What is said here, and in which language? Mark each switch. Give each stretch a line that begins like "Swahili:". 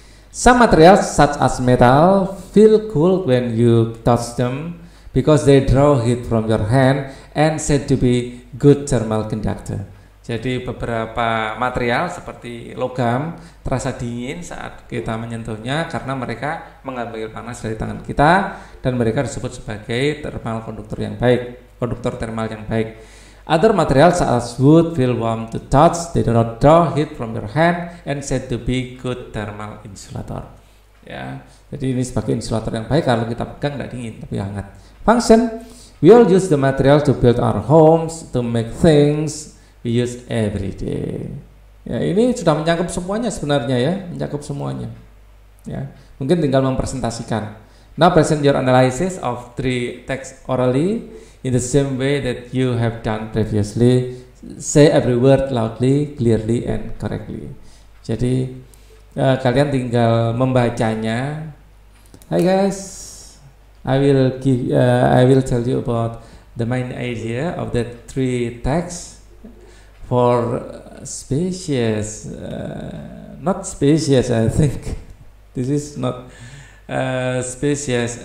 English: Some materials such as metal feel cool when you touch them because they draw heat from your hand and said to be good thermal conductor.
Indonesian: Jadi beberapa material seperti logam terasa dingin saat kita menyentuhnya karena mereka mengambil panas dari tangan kita dan mereka disebut sebagai thermal conductor yang baik, konduktor thermal yang baik.
English: Other materials as wood feel warm to touch, they do not draw heat from your hand and said to be good thermal insulator.
Indonesian: Ya, jadi ini sebagai insulator yang baik kalau kita pegang tidak dingin tapi hangat.
English: Function, we all use the material to build our homes, to make things we use every day.
Indonesian: Ya, ini sudah mencakup semuanya sebenarnya ya, mencakup semuanya. Ya, mungkin tinggal mempresentasikan.
English: Now present your analysis of three texts orally. In the same way that you have done previously, say every word loudly, clearly, and correctly.
Indonesian: Jadi kalian tinggal membacanya.
English: Hi guys, I will tell you about the main idea of the three texts for species. Not species, I think. This is not species.